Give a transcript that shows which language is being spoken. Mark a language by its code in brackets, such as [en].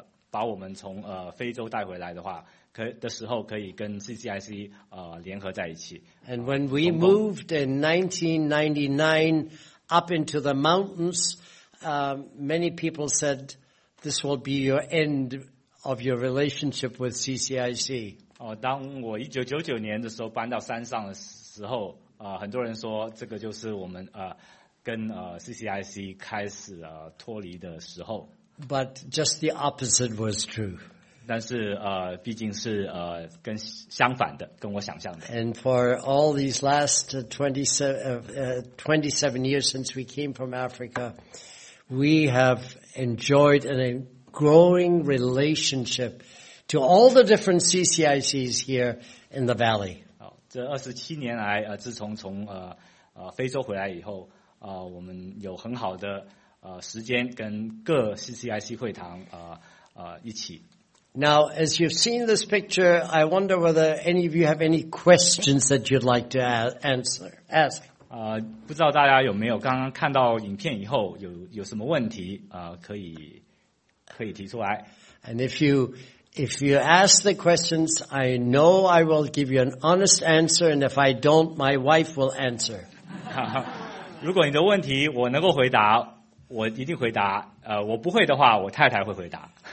[zh] 感谢神，27年前，当我把我们从非洲带回来的话， 的时候可以跟CCIC联合在一起。 [en] And when we moved in 1999 up into the mountains, many people said this will be your end of your relationship with CCIC. [zh] 当我1999年的时候搬到山上的时候，很多人说这个就是我们跟CCIC开始脱离的时候。 [en] But just the opposite was true. [zh] 但是毕竟是跟相反的，跟我想象的。 [en] And for all these last 27 years since we came from Africa, we have enjoyed a growing relationship to all the different CCICs here in the valley. [zh] 这27年来自从非洲回来以后我们有很好的时间跟各 CCIC 会堂一起。 [en] Now, as you've seen this picture, I wonder whether any of you have any questions that you'd like to answer. Ask. [zh] 不知道大家有没有刚刚看到影片以后有什么问题可以提出来。 [en] And if you ask the questions, I know I will give you an honest answer, and if I don't, my wife will answer. [zh] 如果你的问题我能够回答，我一定回答。我不会的话，我太太会回答。